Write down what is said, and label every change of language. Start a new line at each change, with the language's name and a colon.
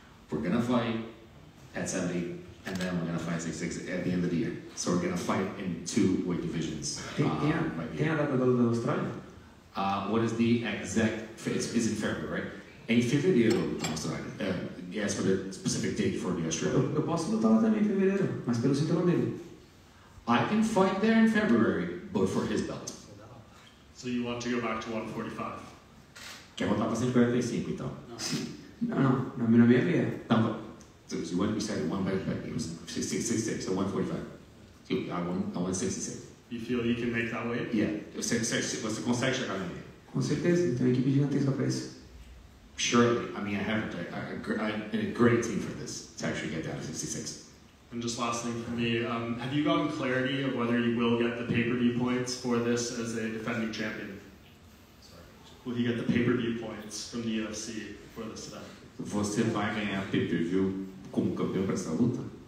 English: We're gonna fight at 70, and then we're gonna fight 66 at the end of the year. So we're gonna fight in two weight divisions.
Portuguese: Tem a data da Austrália?
English: What is the exact? It's in February, right?
Portuguese: Em fevereiro, na Austrália.
English: Yes, for the specific date for the Australia.
Portuguese: Eu posso lutar lá também em fevereiro, mas pelo cinturão dele.
English: I can fight there in February, but for his belt. So you want to go back to 145?
Portuguese: Quer voltar para 145, então? Não, meu nome é Vieira.
English: Então, so you went, you said 166, so 145. So, I want 166. You feel you can make that weight?
Portuguese: Yeah. Você consegue chegar na minha? Com certeza, tem uma equipe gigantesca para isso.
English: Surely, I mean, I have a great team for this to actually get down to 66. And just last thing for me, have you gotten clarity of whether you will get the pay-per-view points for this as a defending champion? Sorry. Will you get the pay-per-view points from the UFC for this event?
Portuguese: Você vai ganhar pay-per-view como campeão para essa luta?